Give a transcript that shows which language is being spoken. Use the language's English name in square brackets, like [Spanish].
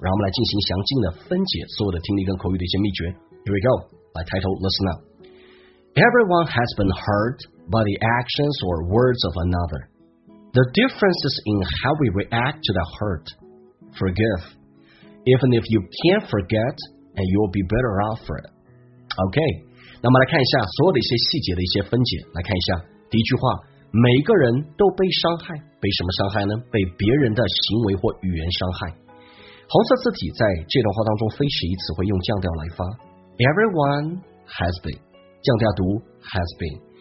[Chinese] 然后我们来进行详尽的分解所有的听力跟口语的一些秘诀。 [English] Here we go， [Chinese] 来抬头 [English] listen up。 Everyone has been hurt by the actions or words of another. The difference is in how we react to that hurt. Forgive, even if you can't forget, and you'll be better off for it. Okay. [Chinese] 那么来看一下所有的一些细节的一些分解，来看一下第一句话，每个人都被伤害，被什么伤害呢？被别人的行为或语言伤害。红色字体在这段话当中非时一词会用降调来发， [English] Everyone has been， [Chinese] 降调读 [English] has been。